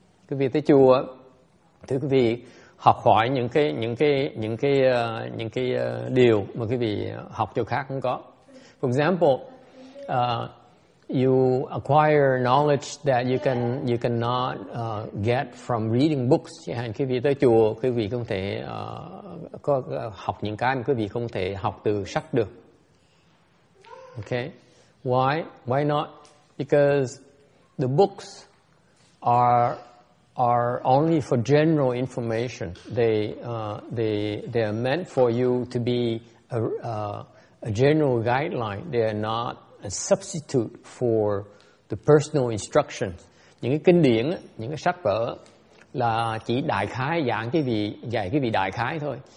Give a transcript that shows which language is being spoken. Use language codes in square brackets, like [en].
[vi] Quý vị tới chùa, thì quý vị học hỏi những cái điều mà quý vị học chỗ khác không có. [en] For example, you acquire knowledge that you cannot get from reading books. [vi] Hay quý vị tới chùa, quý vị không thể có học những cái mà quý vị không thể học từ sách được. [en] Okay, why? Why not? Because the books are only for general information. They are meant for you to be a general guideline. They are not a substitute for the personal instructions. [vi] Những cái kinh điển, những cái sách vở là chỉ đại khái dạy cái vị đại khái thôi.